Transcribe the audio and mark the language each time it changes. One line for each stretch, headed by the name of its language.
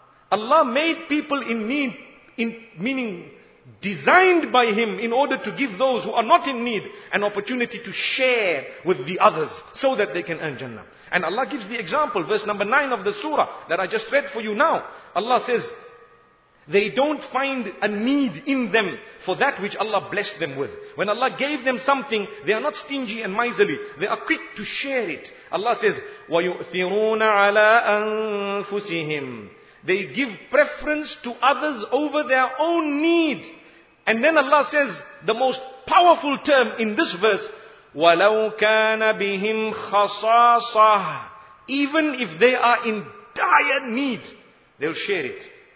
English: Allah made people in need, meaning designed by Him in order to give those who are not in need an opportunity to share with the others so that they can earn Jannah. And Allah gives the example, verse number 9 of the surah that I just read for you now. Allah says, they don't find a need in them for that which Allah blessed them with. When Allah gave them something, they are not stingy and miserly. They are quick to share it.
Arabic: Allah says, وَيُؤْثِرُونَ عَلَىٰ أَنفُسِهِمْ.
English: They give preference to others over their own need. And then Allah says, the most powerful term in this verse,
Arabic: وَلَوْ كَانَ بِهِمْ خَصَاصَةٌ.
English: Even if they are in dire need, they'll share it.